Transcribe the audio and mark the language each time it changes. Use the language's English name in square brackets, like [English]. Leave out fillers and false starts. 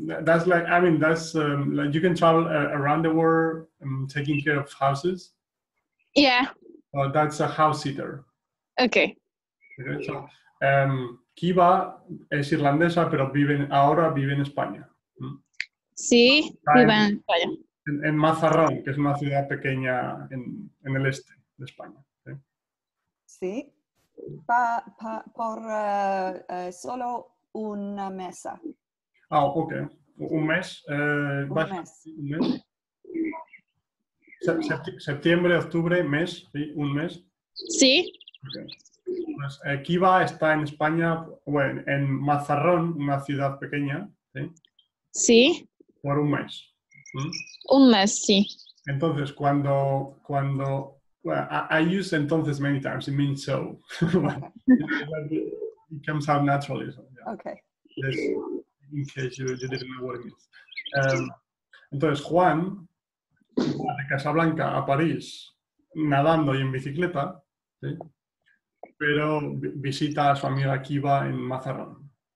[English] That's like you can travel around the world taking care of houses. Yeah. But that's a house sitter. Okay. Okay. [Spanish] So, Kiva es irlandesa, pero ahora vive en España. Sí, vive en España. En Mazarrón, que es una ciudad pequeña en el este de España. [English] Okay. [Spanish] Sí. Por solo una mesa. Ah, oh, ok. Un mes. Un mes. Sí, Septiembre, octubre, mes, ¿sí? Un mes. Sí. [English] Okay. [Spanish] Pues, Kiva está en España, bueno, en Mazarrón, una ciudad pequeña, ¿sí? Sí. Por un mes. ¿Sí? Un mes, sí. [English] Entonces, cuando I use entonces many times, it means so. It comes out naturally. So, yeah. Okay. Yes, in case you didn't know what it means. [Spanish] Entonces, Juan va de Casablanca a París nadando y en bicicleta, ¿sí? Pero visita a su amiga Kiva en Mazarrón.